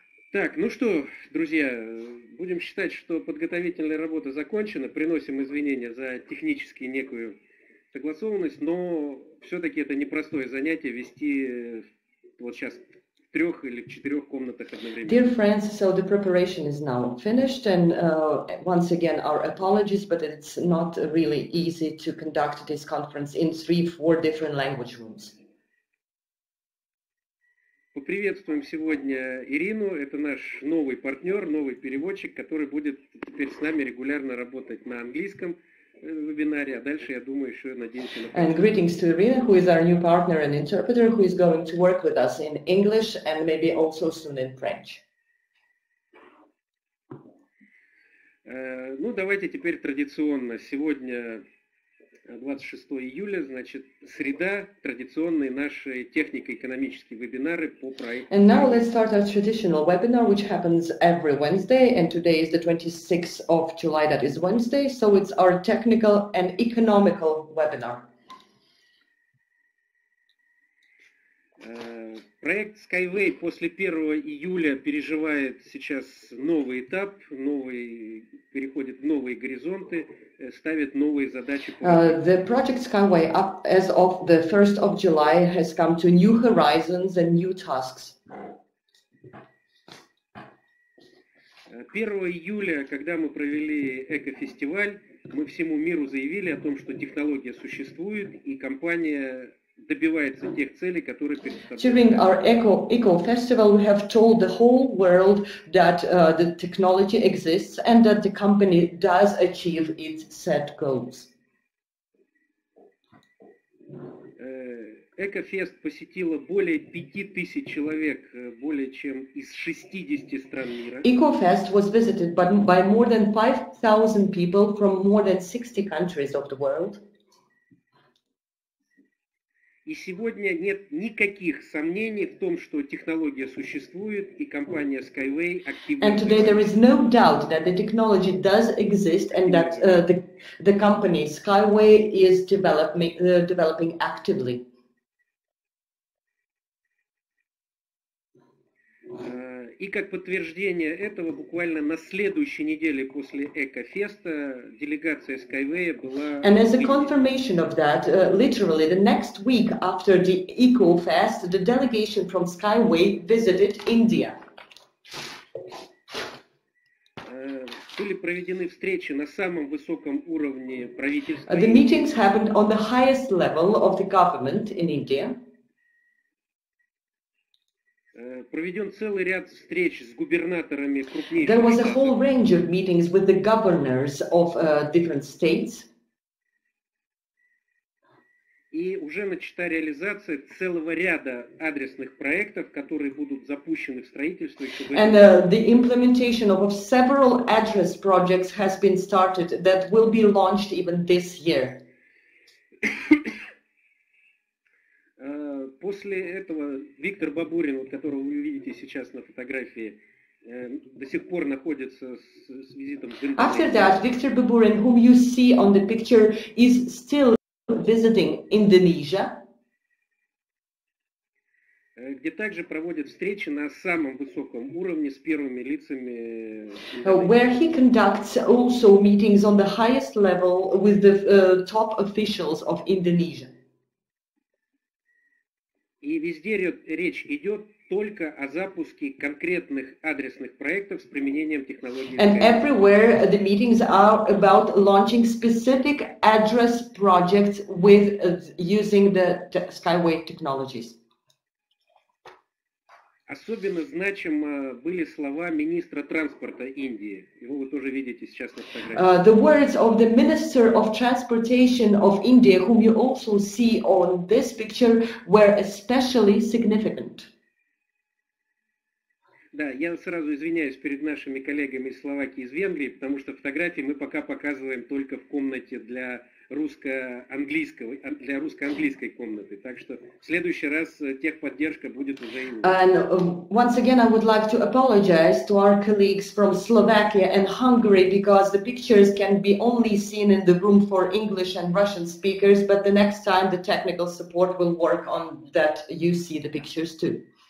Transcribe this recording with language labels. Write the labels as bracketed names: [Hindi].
[Russian] Так, ну что, друзья, будем считать, что подготовительная работа закончена. Приносим извинения за технически некую согласованность, но все-таки это непростое занятие вести вот сейчас в трех или четырех комнатах одновременно. [English] Dear friends, so the preparation is now finished, and once again our apologies, but it's not really easy to conduct this conference in 3-4 different language rooms. [Russian] Приветствуем сегодня Ирину, это наш новый партнер, новый переводчик, который будет теперь с нами регулярно работать на английском вебинаре, а дальше, я думаю, еще надеюсь... [English] And greetings to Irina, who is our new partner and interpreter, who is going to work with us in English and maybe also soon in French. [Russian] Ну, давайте теперь традиционно. Сегодня 26 июля, значит, среда, традиционные наши технико-экономические вебинары по проекту. [English] And now let's start our traditional webinar, which happens every Wednesday, and today is the 26th of July, that is Wednesday, so it's our technical and economical webinar. [Russian] Проект Skyway после 1 июля переживает сейчас новый этап, переходит в новые горизонты, ставит новые задачи. [English] The project Skyway up as of the 1st of July has come to new horizons and new tasks. [Russian] 1 июля, когда мы провели экофестиваль, мы всему миру заявили о том, что технология существует и компания добивается тех целей, которые перед собой. [English] During our Eco Festival, we have told the whole world that the technology exists and that the company does achieve its set goals. [Russian] Экофест посетило более 5000 человек, более чем из 60 стран мира. [English] Ecofest was visited by more than 5000 people from more than 60 countries of the world. [Russian] И сегодня нет никаких сомнений в том, что технология существует и компания Skyway активно. [English] And today there is no doubt that the technology does exist and that the company Skyway is developing actively. [Russian] И как подтверждение этого, буквально на следующей неделе после Экофеста делегация Skyway была... [English] And as a confirmation of that, literally the next week after the Ecofest, the delegation from Skyway visited India. [Russian] Были проведены встречи на самом высоком уровне правительства. [English] The meetings happened on the highest level of the government in India. [Russian] Проведен целый ряд встреч с губернаторами крупнейших штатов. [English] There was a whole range of meetings with the governors of different states. [Russian] И уже начата реализация целого ряда адресных проектов, которые будут запущены в строительство. [English] And the implementation of several address projects has been started that will be launched even this year. [Russian] После этого Виктор Бабурин, которого вы видите сейчас на фотографии, до сих пор находится с визитом в Индонезию. [English] After that, Виктор Бабурин, whom you see on the picture, is still visiting Indonesia. [Russian] Где также проводит встречи на самом высоком уровне с первыми лицами. [English] Where he conducts also meetings on the highest level with the top officials of Indonesia. [Russian] И везде речь идет только о запуске конкретных адресных проектов с применением технологии. [English] And everywhere the meetings are about launching specific address projects with using the Skyway technologies. [Russian] Особенно значимы были слова министра транспорта Индии. Его вы тоже видите сейчас на фотографии. [English] The words of the Minister of Transportation of India, whom you also see on this picture, were especially significant. [Russian] Да, я сразу извиняюсь перед нашими коллегами из Словакии, из Венгрии, потому что фотографии мы пока показываем только в комнате для русско-английского, для русско-английской комнаты. Так что в следующий раз техподдержка будет уже им. [English] And once again, I would like to apologize to our colleagues from Slovakia and Hungary, because the pictures can be only seen in the room for English and Russian speakers, but the next time the technical support will work on that, you see the pictures too.